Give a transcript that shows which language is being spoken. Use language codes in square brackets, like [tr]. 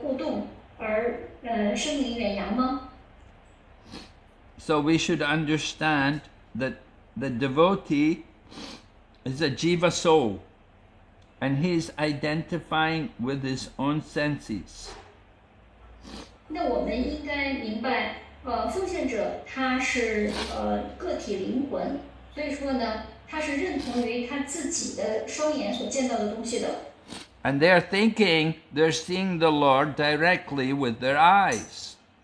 [zh] 难道主不是因为和这些奉献者有充满爱的交流和互动而声名远扬吗？ [en] So we should understand that the devotee is a jiva soul, and he is identifying with his own senses. [zh] 那我们应该明白，奉献者他是个体灵魂，所以说呢，他是认同于他自己的双眼所见到的东西的。 [en] And they are thinking they're seeing the Lord directly with their eyes.